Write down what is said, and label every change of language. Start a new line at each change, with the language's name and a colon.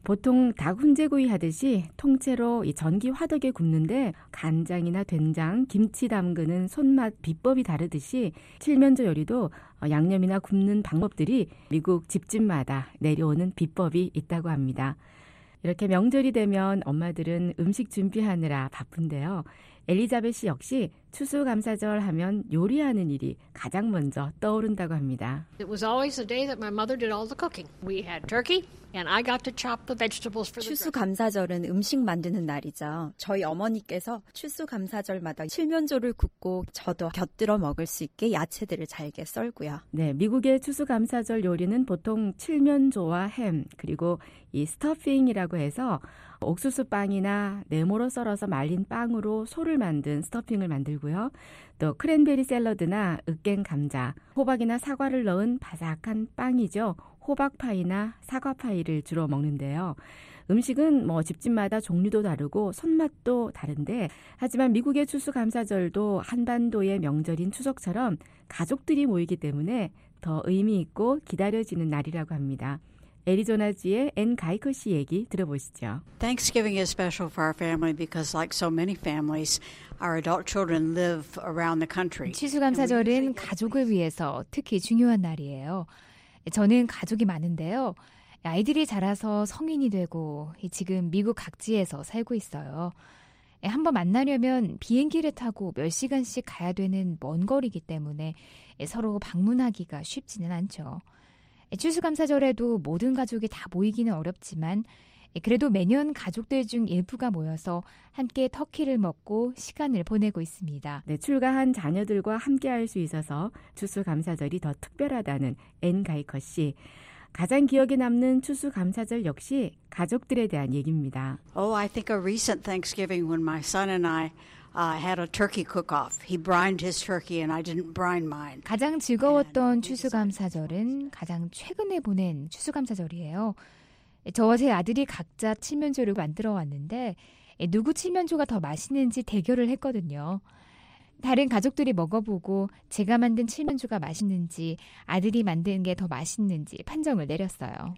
Korean: 보통 닭 훈제구이 하듯이 통째로 이 전기 화덕에 굽는데 간장이나 된장, 김치 담그는 손맛 비법이 다르듯이 칠면조 요리도 양념이나 굽는 방법들이 미국 집집마다 내려오는 비법이 있다고 합니다. 이렇게 명절이 되면 엄마들은 음식 준비하느라 바쁜데요. 엘리자벳 씨 역시 추수감사절 하면 요리하는 일이 가장 먼저 떠오른다고 합니다.
English: It was always the day that my mother did all the cooking. We had turkey and I got to chop the vegetables for the
Korean: 추수감사절은 음식 만드는 날이죠. 저희 어머니께서 추수감사절마다 칠면조를 굽고 저도 곁들여 먹을 수 있게 야채들을 잘게 썰고요. 네, 미국의 추수감사절 요리는 보통 칠면조와 햄, 그리고 이 스터핑이라고 해서 옥수수 빵이나 네모로 썰어서 말린 빵으로 소를 만든 스터핑을 만들고요. 또 크랜베리 샐러드나 으깬 감자, 호박이나 사과를 넣은 바삭한 빵이죠. 호박파이나 사과파이를 주로 먹는데요. 음식은 뭐 집집마다 종류도 다르고 손맛도 다른데 하지만 미국의 추수감사절도 한반도의 명절인 추석처럼 가족들이 모이기 때문에 더 의미 있고 기다려지는 날이라고 합니다. 애리조나주의 앤 가이코 씨 얘기 들어보시죠.
English: Thanksgiving is special for our family because like so many families, our adult children live around the country.
Korean: 추수감사절은 가족을 위해서 특히 중요한 날이에요. 저는 가족이 많은데요. 아이들이 자라서 성인이 되고 지금 미국 각지에서 살고 있어요. 한번 만나려면 비행기를 타고 몇 시간씩 가야 되는 먼 거리이기 때문에 서로 방문하기가 쉽지는 않죠. 추수감사절에도 모든 가족이 다 모이기는 어렵지만 그래도 매년 가족들 중 일부가 모여서 함께 터키를 먹고 시간을 보내고 있습니다. 네, 출가한 자녀들과 함께할 수 있어서 추수감사절이 더 특별하다는 앤 가이커 씨. 가장 기억에 남는 추수감사절 역시 가족들에 대한 얘기입니다.
English: Oh, I think a recent Thanksgiving when my son and I had a turkey cook-off. He brined his turkey and I didn't brine mine.
Korean: 가장 즐거웠던 추수감사절은 가장 최근에 보낸 추수감사절이에요. 저와 제 아들이 각자 칠면조를 만들어 왔는데 누구 칠면조가 더 맛있는지 대결을 했거든요. 다른 가족들이 먹어보고 제가 만든 칠면조가 맛있는지 아들이 만든 게 더 맛있는지 판정을 내렸어요.